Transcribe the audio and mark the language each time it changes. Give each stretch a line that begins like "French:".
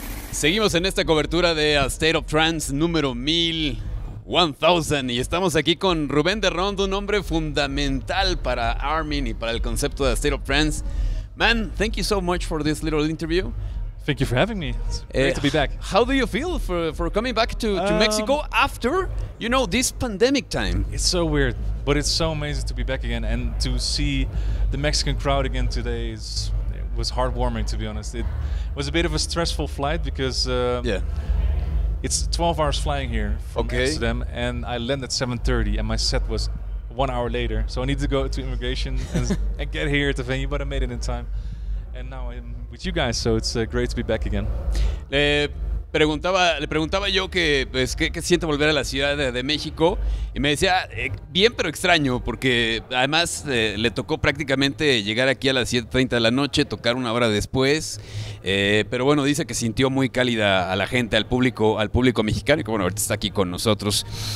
Spanish: Seguimos en esta cobertura de A State of Trance número 1000 y estamos aquí con Rubén de Rondo, un hombre fundamental para Armin y para el concepto de A State of Trance.
English: Man, thank you so much for this little interview. Thank you for having me. It's great to be back. How do you feel for coming back to Mexico after, you know, this pandemic time? It's so weird, but it's so amazing to be back again and to see the Mexican crowd again today. It was heartwarming, to be honest. It was a bit of a stressful flight because it's 12 hours flying here from Amsterdam, and I landed at 7:30 and my set was 1 hour later. So I needed to go to immigration and get here at the venue, but I made it in time. And now I'm with you guys, so it's great to be back again.
Spanish: Le preguntaba yo que pues qué siento volver a la ciudad de México y me decía bien pero extraño porque además le tocó prácticamente llegar aquí a las 7:30 de la noche, tocar una hora después, pero bueno, dice que sintió muy cálida a la gente, al público mexicano, que bueno, ahorita está aquí con nosotros.